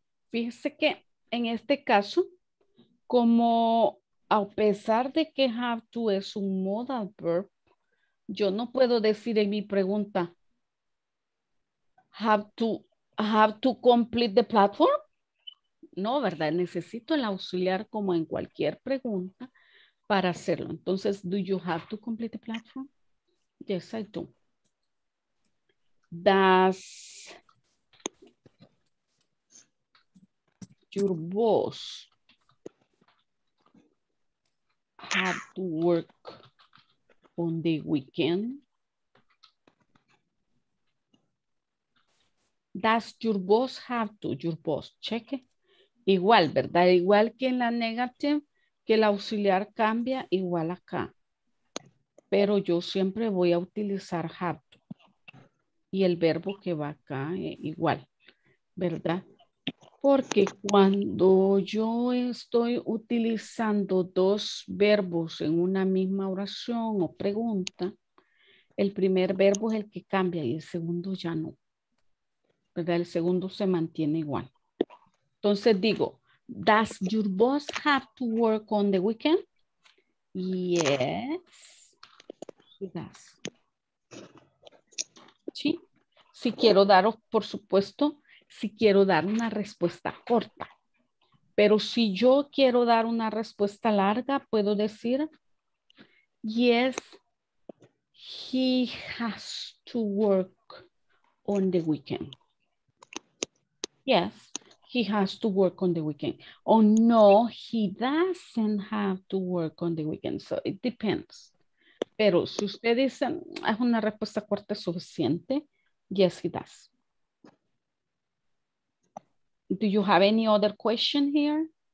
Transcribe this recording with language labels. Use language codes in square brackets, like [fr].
[es] Fíjese que en este caso, como a pesar de que have to es un modal verb, yo no puedo decir en mi pregunta [en] have to complete the platform. [es] No, ¿verdad? Necesito el auxiliar como en cualquier pregunta para hacerlo. Entonces, [en] do you have to complete the platform? Yes, I do. Does your boss have to work on the weekend? Does your boss have to? Your boss, cheque. [es] Igual, ¿verdad? Igual que en la negative, que el auxiliar cambia, igual acá. Pero yo siempre voy a utilizar have to. Y el verbo que va acá, igual, ¿verdad? Porque cuando yo estoy utilizando dos verbos en una misma oración o pregunta, el primer verbo es el que cambia y el segundo ya no. ¿Verdad? El segundo se mantiene igual. Entonces digo, [en] does your boss have to work on the weekend? Yes, he does. [es] ¿Sí? Si quiero daros, por supuesto, si quiero dar una respuesta corta. Pero si yo quiero dar una respuesta larga, puedo decir, [en] yes, he has to work on the weekend. Yes, he has to work on the weekend. Oh, no, he doesn't have to work on the weekend. So it depends. [es] Pero si usted dice, es una respuesta corta suficiente. [en] Yes, he does. Do you have any other question here?